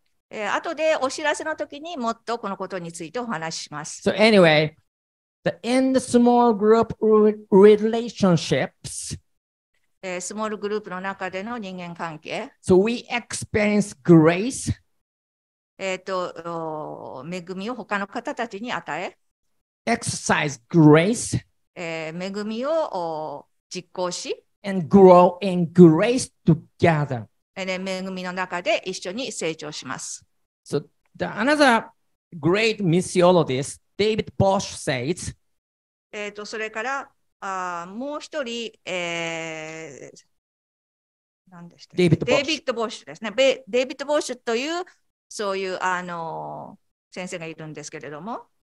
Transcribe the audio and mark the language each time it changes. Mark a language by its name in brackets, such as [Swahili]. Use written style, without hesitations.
[Japanese] 後でお知らせの時にもっとこのことについてお話しします。 [English] So anyway, the in the small group relationships. [Japanese] スモールグループの中での人間関係。 [English] So we experience grace. [Japanese] 恵みを他の方たちに与え。 [English] Exercise grace. [Japanese] 恵みを実行し。 [English] And grow in grace together. [Japanese] 恵みの中で一緒に成長します。 [English] So the another great missiologist, David Bosch says. [Japanese] それから、もう一人、何でしたっけ？デイビッド・ボッシュですね。デイビッド・ボッシュというそういう先生がいるんですけれども、